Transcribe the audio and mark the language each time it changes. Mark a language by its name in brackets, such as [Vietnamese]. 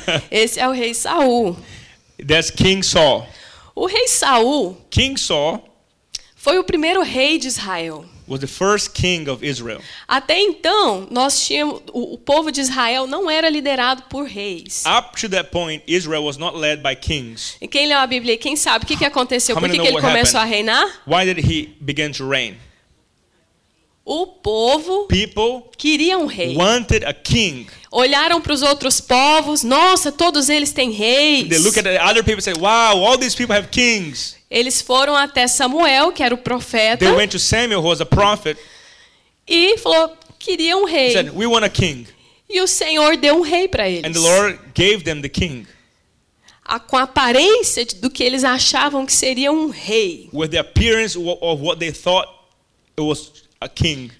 [Portuguese] Esse é o rei Saul. [English] That's King Saul. [Portuguese] O rei Saul. [English] King Saul. [Portuguese] Foi o primeiro rei de Israel. [English] Was the first king of Israel. [Portuguese] Até então, nós tínhamos o povo de Israel não era liderado por reis. [English] Up to that point, Israel was not led by kings. [Portuguese] E quem leu a Bíblia? Quem sabe o que aconteceu? Por que ele começou a reinar? [English] Why did he begin to reign? [Portuguese] O povo [English] people [Portuguese] queria um rei. [English] Wanted a king. [Portuguese] Olharam para os outros povos. Nossa, todos eles têm reis. [English] They look at the other people and say, "Wow, all these people have kings." [Portuguese] Eles foram até Samuel, que era o profeta. [English] They went to Samuel, who was a prophet. [Portuguese] E falou, queria um rei. [English] He said, "We want a king." [Portuguese] E o Senhor deu um rei para eles. [English] And the Lord gave them the king. [Portuguese] Com a aparência do que eles achavam que seria um rei. [English] With the appearance of what they thought it was a king.